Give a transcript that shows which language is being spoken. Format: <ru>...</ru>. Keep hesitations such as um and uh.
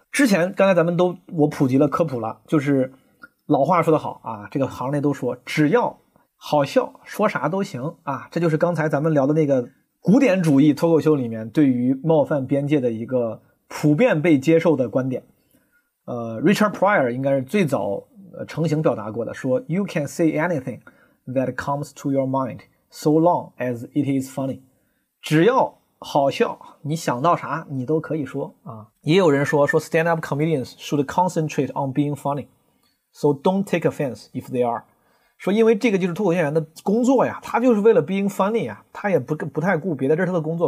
<zh>之前刚才咱们都我普及了科普了，就是老话说得好啊，这个行内都说，只要好笑，说啥都行啊。这就是刚才咱们聊的那个古典主义脱口秀里面对于冒犯边界的一个普遍被接受的观点。</zh> <en>呃，Richard Pryor</en> <zh>应该是最早呃成型表达过的，说</zh> <en>“You can say anything that comes to your mind, so long as it is funny。</en> <zh>”只要好笑，你想到啥你都可以说啊。也有人说说，</zh> <en>stand-up comedians should concentrate on being funny，so don't take offense if they are。</en> <zh>说因为这个就是脱口秀演员的工作呀，他就是为了</zh> <en>being funny</en> <zh>啊，他也不不太顾别的，这是他的工作。</zh>